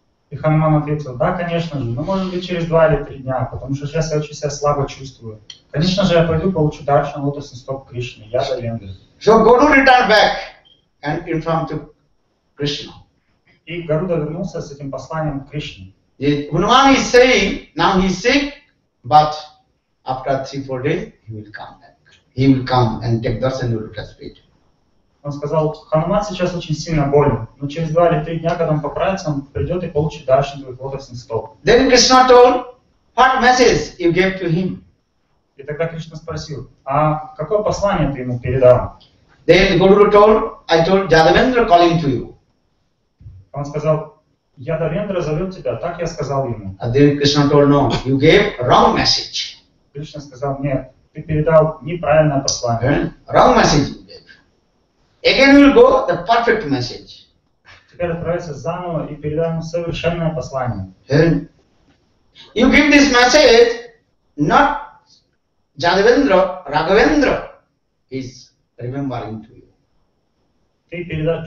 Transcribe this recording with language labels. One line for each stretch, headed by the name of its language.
Russian: И Хануман ответил: да, конечно же, но может быть через 2 или 3 дня, потому что сейчас я очень себя слабо чувствую. Конечно же, я пойду получу даршан лотосный стоп Кришны, Yadavendra.
English: So Guru returned back and informed to Krishna.
Russian: И Гаруда вернулся с этим посланием к Кришне.
English: Хануман is saying, now he is sick. But after 3-4 days, he will come back. He will come and take darshan and lotus feet.
Russian: Он сказал: Хануман сейчас очень сильно болен, но через 2 или 3 дня, когда он поправится, он придет и получит даршан и лотосный стоп.
English: Then Krishna told, what message you gave to him?
Russian: И тогда Кришна спросил: а какое послание ты ему передал?
English: Then Guru told, I told Yadavendra calling to you.
Russian: Он сказал: Ядавендра зовет тебя, так я сказал ему.
English: And then Krishna told, no, you gave wrong message.
Russian: Кришна сказал: нет, ты передал неправильное послание.
English: Okay. Wrong message you gave. Again will go the perfect message.
Russian: Теперь отправиться заново и передай ему совершенное послание.
English: Okay. You give this message not Ядавендра, Раговендра is remembering to you.